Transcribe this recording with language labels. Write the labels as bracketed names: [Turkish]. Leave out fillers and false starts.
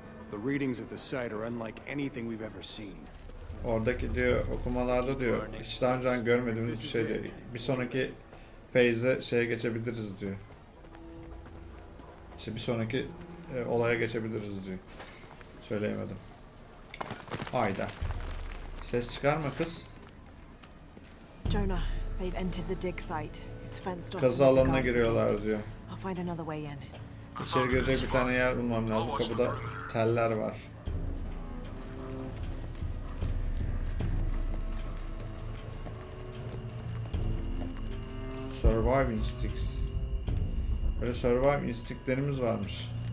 [English] The readings at the site are unlike anything we've ever seen. [Turkish] Oradaki diyor, okumalarda diyor, hiç daha önce görmediğimiz bir şey diyor. Bir sonraki phase'e şeye geçebiliriz diyor. İşte bir sonraki olaya geçebiliriz diyor. Söyleyemedim. Hayda. Ses çıkarma kız. [English] Jonah, they've entered the dig site. It's fenced off. [Turkish] Kazı alanına giriyorlar diyor. [English] I'll find another way in. [Turkish] İçeri girecek bir tane yer bulmam lazım. Kapıda teller var. Survive Instincts. Böyle Survive Instincts'lerimiz varmış.